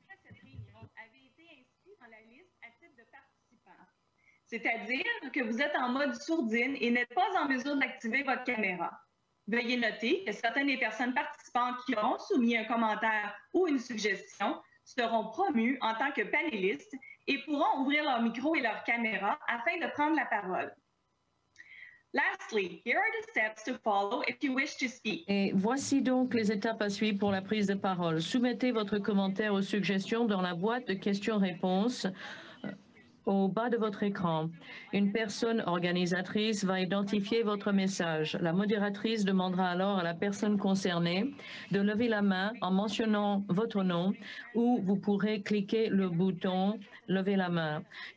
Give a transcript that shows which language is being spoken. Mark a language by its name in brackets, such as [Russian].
[French] Cette réunion avait été inscrite dans la liste à titre de participant, c'est-à-dire que vous êtes en mode sourdine et n'êtes pas en mesure d'activer votre caméra. Veuillez noter que certaines des personnes participantes qui ont soumis un commentaire ou une suggestion seront promues en tant que panélistes et pourront ouvrir leur micro et leur caméra afin de prendre la parole. [English] Lastly, here are the steps to follow if you wish to speak. [French] Et voici donc les étapes à suivre pour la prise de parole. Soumettez votre commentaire ou suggestion dans la boîte de questions-réponses au bas de votre écran. Une personne organisatrice va identifier votre message. La modératrice demandera alors à la personne concernée de lever la main en mentionnant votre nom ou vous pourrez cliquer le bouton « Lever la main ».